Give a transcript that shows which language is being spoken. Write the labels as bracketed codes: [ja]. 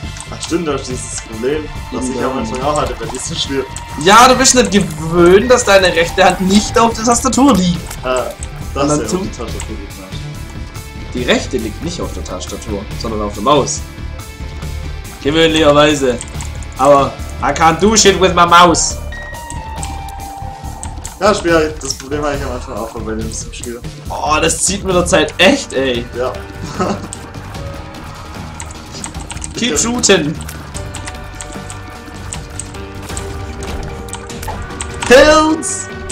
[de] Ach stimmt, das ist dieses Problem, was ich am Anfang auch hatte, bei diesem Spiel. Ja, du bist nicht gewöhnt, dass deine rechte Hand nicht auf der Tastatur liegt. Das ist ja auf die Tastatur liegt. Die rechte liegt nicht auf der Tastatur, sondern auf der Maus. Gewöhnlicherweise. [en] Aber I can't do shit with my mouse. [de] Ja, Spiel, das Problem habe ich am Anfang auch bei dem Spiel. Oh, das zieht mit der Zeit echt, ey. Ja. [en] Keep shooting. [de] Pilz!